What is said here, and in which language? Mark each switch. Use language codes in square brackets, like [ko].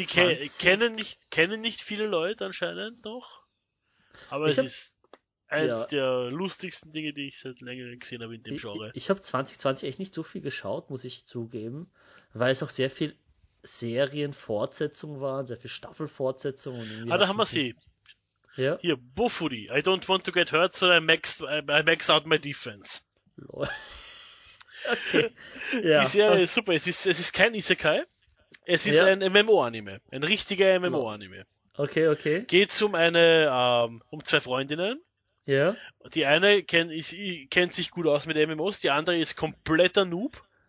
[de] Die kennen nicht viele Leute anscheinend noch. Aber ich ist eins der lustigsten Dinge, die ich seit längerem gesehen habe in dem Genre. Ich habe 2020 echt nicht so viel geschaut, muss ich zugeben. Weil es auch sehr viel Serienfortsetzungen waren, sehr viel Staffelfortsetzungen. Ah, da haben wir sie. Ja. [en] Hier, Bufudi, I don't want to get hurt, so I max out my defense. Lol. [de] Okay. Ja. Die Serie ist super, es ist kein Isekai, es ist ein MMO-Anime, ein richtiger MMO-Anime. Okay. Geht es um eine, um zwei Freundinnen. Ja. Die eine kennt sich gut aus mit MMOs, die andere ist kompletter Noob.